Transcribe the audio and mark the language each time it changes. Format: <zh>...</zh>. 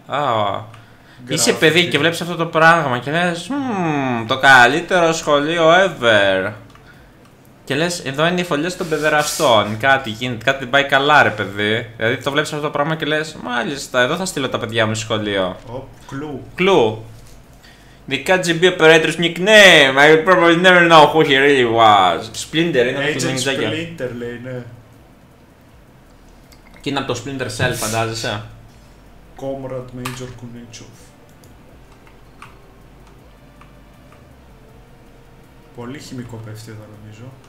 <el>Α, είσαι παιδί και βλέπεις αυτό το πράγμα και λες το καλύτερο σχολείο ever. Και λες, εδώ είναι οι φωλιές των παιδεραστών. Κάτι γίνεται, κάτι πάει καλά, ρε παιδί. Δηλαδή το βλέπεις αυτό το πράγμα και λες, μάλιστα, εδώ θα στείλω τα παιδιά μου στο σχολείο. Κλου. Κλου.</el> <en>The KGB operator's nickname. I probably never know who he really was.</en> <el>Splinter, είναι αυτό το Agent Splinter, λέει, ναι. Και είναι από το Splinter Cell, φαντάζεσαι.</el> <en>Comrade Major Kunichov.</en> <el>Πολύ χημικό πέφτει εδώ, νομίζω.</el>